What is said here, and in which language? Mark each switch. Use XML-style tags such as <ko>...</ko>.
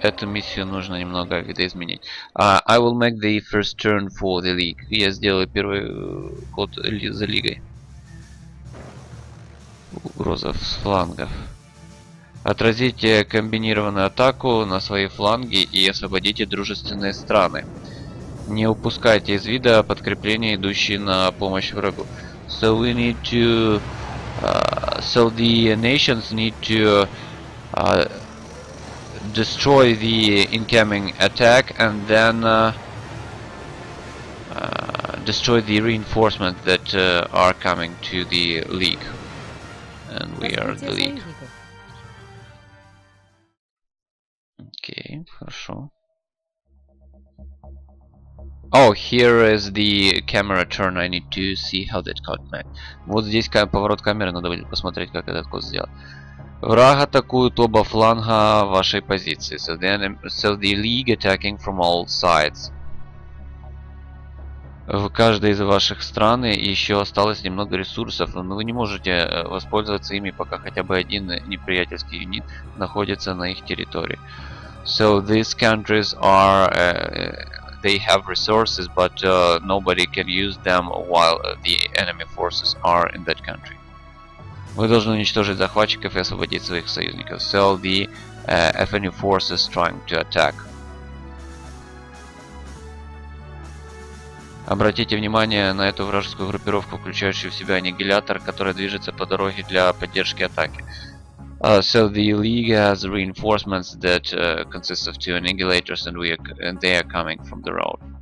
<ru>Эту миссию нужно немного видоизменить.</ru> <en>I will make the first turn for the league.</en> <ru>Я сделаю первый ход за лигой. Угроза с флангов. Отразите комбинированную атаку на свои фланги и освободите дружественные страны. Не упускайте из вида подкрепления, идущие на помощь врагу.</ru> <en>So we need to... So the nations need to... destroy the incoming attack and then destroy the reinforcements that are coming to the league. And we are the league. Okay, хорошо. Oh, here is the camera turn. I need to see how that got made.</en> <ru>Вот здесь поворот камеры, надо будет посмотреть, как этот код сделал. Враг атакует оба фланга вашей позиции.</ru> <en>So the, the league attacking from all sides.</en> <ru>В каждой из ваших стран еще осталось немного ресурсов, но вы не можете воспользоваться ими, пока хотя бы один неприятельский юнит находится на их территории.</ru> <en>So these countries are they have resources, but nobody can use them while the enemy forces are in that country.</en> <ru>Вы должны уничтожить захватчиков и освободить своих союзников.</ru> <en>So the FNU forces trying to attack.</en> <ru>Обратите внимание на эту вражескую группировку, включающую в себя аннигилятор, которая движется по дороге для поддержки атаки.</ru> <en>So the League has reinforcements that consists of two annihilators, and they are coming from the road.</en>